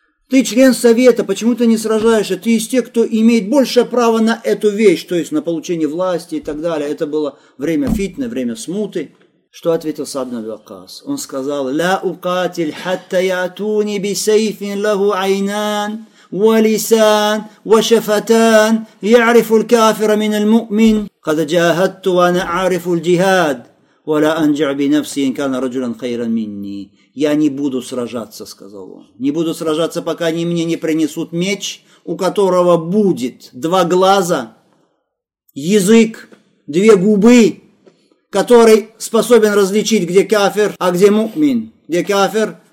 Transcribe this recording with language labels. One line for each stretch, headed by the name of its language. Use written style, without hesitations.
Russian: «Ты член совета, почему ты не сражаешься? Ты из тех, кто имеет большее право на эту вещь, то есть на получение власти и так далее». Это было время фитны, время смуты. Что ответил Саад ибн Аби Ваккас? Он сказал,
Arabic: «Ла укатиль хатта ятуни би сейфин лаху айнан». ولسان وشفتان يعرف الكافر من المؤمن قد جاهدت وانا اعرف الجهاد ولا انجع بنفسي ان كان رجلا خيرا مني.
Russian: Я не буду сражаться, сказал он. Не буду сражаться, пока они мне не принесут меч, у которого будет два глаза, язык, две губы, который способен различить, где кафир, а где мукмин. Где кафир?